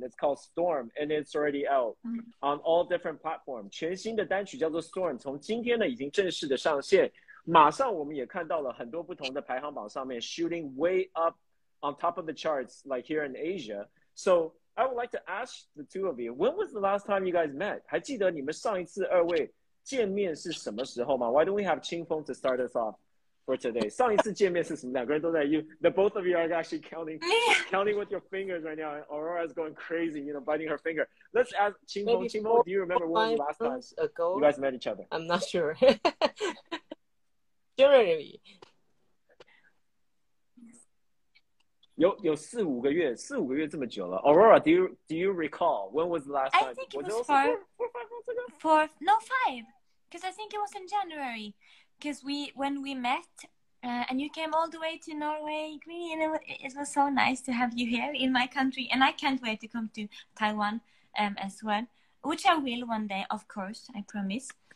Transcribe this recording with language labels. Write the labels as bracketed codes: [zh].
[en] It's called Storm, and it's already out on all different platforms. [zh] 全新的单曲叫做Storm, 从今天呢已经正式的上线。马上我们也看到了很多不同的排行榜上面 [en] shooting way up on top of the charts, like here in Asia. So I would like to ask the two of you, when was the last time you guys met? [zh] 还记得你们上一次二位见面是什么时候吗? [en] Why don't we have Qingfeng to start us off for today? [zh] 上一次见面是什么？两个人都在you. [en] The both of you are actually counting with your fingers right now. Aurora is going crazy, you know, biting her finger. Let's ask Qingfeng. Maybe Qingfeng, do you remember when was the last time ago? You guys met each other? I'm not sure. Generally, [zh] 有四五个月，四五个月这么久了。 [en] Aurora, do you recall when was the last time? I think it was five. Because I think it was in January. Because when we met, and you came all the way to Norway, Green, and it was so nice to have you here in my country, and I can't wait to come to Taiwan, as well, which I will one day, of course, I promise.